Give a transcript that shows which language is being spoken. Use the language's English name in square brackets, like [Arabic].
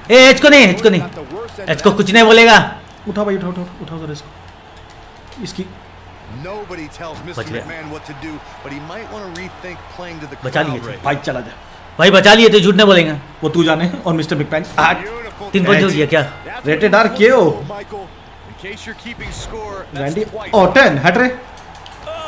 [Hindi] Hey, इसको नहीं, इसको नहीं, इसको कुछ नहीं बोलेगा। उठा भाई, उठा उठा उठा कर इसको। इसकी [English] Nobody tells Mr. McMahon what to do, but he might want to rethink playing to the crowd. [Hindi] बचा लिए भाई, चला जा भाई, बचा लिए तो झूठ नहीं बोलेंगे। वो तू जाने और मिस्टर मैकमैन आज तीन पॉइंट हो गया क्या? रेटेड आर के ओ रैंडी ऑटन हट रहे।